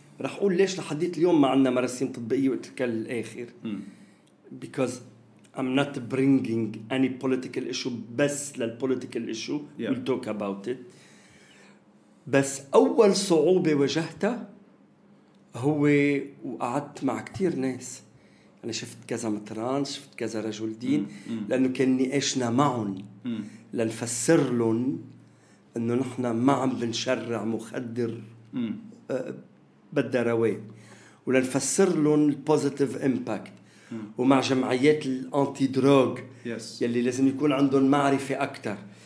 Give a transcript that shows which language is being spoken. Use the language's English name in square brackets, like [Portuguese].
[Arabic] رح أقول ليش لحديت اليوم ما عندنا مراسيم طبيعية وتركها للآخر. [English] Because I'm not bringing any political issue [Arabic] بس [English] للpolitical issue. Yeah. We'll talk about it. [Arabic] بس أول صعوبة واجهتها هو وقعدت مع كتير ناس. أنا شفت كذا مطران، شفت كذا رجل دين. لأنه كان نقاشنا معهم لنفسر لهم أنه نحن ما عم بنشرع مخدر بالدروين، ولنفسر لهم [English] positive impact [Arabic] ومع جمعيات الانتي دروغ يلي لازم يكون عندهم معرفة أكتر.